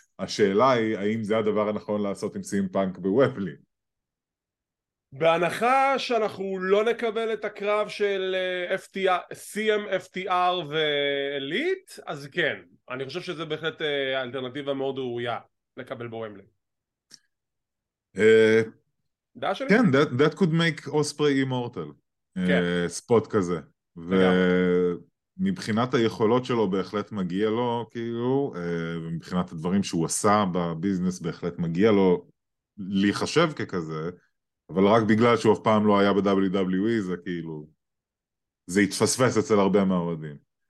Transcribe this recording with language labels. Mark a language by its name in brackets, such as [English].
[Hebrew] השאלה היא, האם זה הדבר הנכון לעשות עם CM Punk בוומבלי? בהנחה שאנחנו לא נקבל את הקרב של CM, FTR ואליט, אז כן, אני חושב שזה בהחלט אלטרנטיבה מאוד ראויה לקבל בוומבלי. [English] כן, that could make Osprey immortal. [Hebrew] ספוט כזה. ומבחינת היכולות שלו בהחלט מגיע לו, כאילו, ומבחינת הדברים שהוא עשה בביזנס בהחלט מגיע לו להיחשב ככזה, אבל רק בגלל שהוא אף פעם לא היה ב-WWE, זה כאילו, זה התפספס אצל הרבה מהאוהדים.